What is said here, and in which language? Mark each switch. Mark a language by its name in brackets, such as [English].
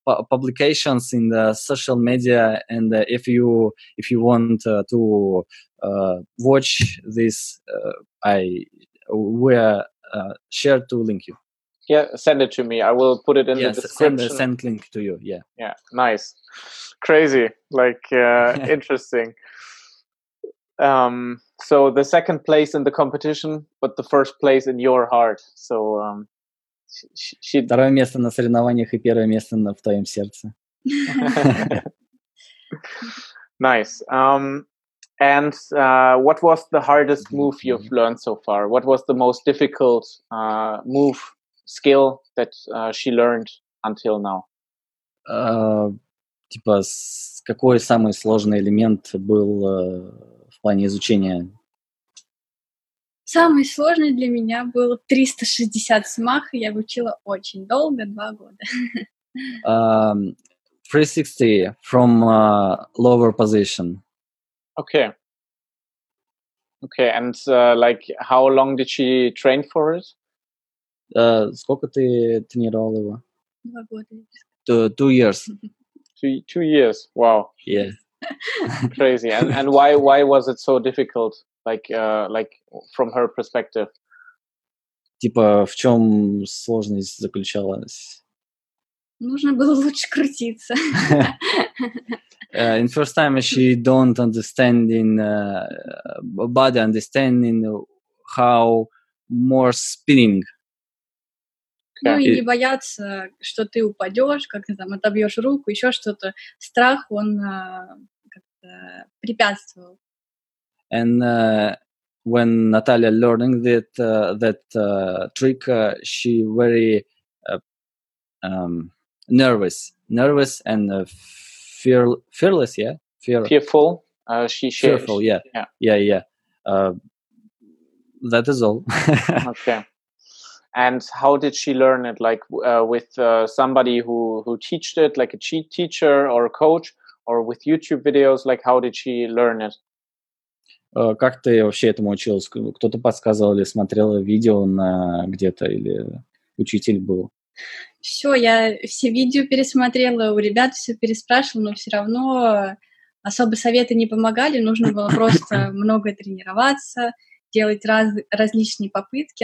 [English] Publications in the social media, and if you want to watch this, we share to link you. Yeah, send it to me. I will put it in the description. Yes, send link to you. Yeah. Yeah. Nice. Crazy. Like interesting. So the second place in the competition, but the first place in your heart. So. [Russian] Второе место на соревнованиях и первое место в твоем сердце. [English] Nice. What was the hardest move you've learned so far? What was the most difficult move, skill that she learned until now? [Russian] Типа, какой самый сложный элемент был в плане изучения? Самый сложный для меня был 360 смах, я учила очень долго, 2 года. [English] 360 from lower position. Okay. Okay, and how long did she train for it? [Russian] Сколько ты тренировал его? 2 года. [English] Two years. Two years. Wow. Yeah. Crazy. And why was it so difficult? Like from her perspective. [Russian] Типа, в чем сложность заключалась? Нужно было лучше крутиться. [English] In first time she don't understanding body understanding how more spinning. [Russian] Ну и не бояться, что ты упадешь, как-то там отобьешь руку, еще что-то. Страх, он как-то препятствовал. [English] And when Natalia learning that trick, she very nervous and fearless, yeah, fearful. She fearful, yeah. That is all. Okay. And how did she learn it? Like with somebody who teached it, like a cheat teacher or a coach, or with YouTube videos? Like how did she learn it? [Russian] Как ты вообще этому училась? Кто-то подсказывал или смотрела видео на где-то, или учитель был? Все, я все видео пересмотрела, у ребят все переспрашивала, но все равно особо советы не помогали. Нужно было просто много тренироваться, делать различные попытки.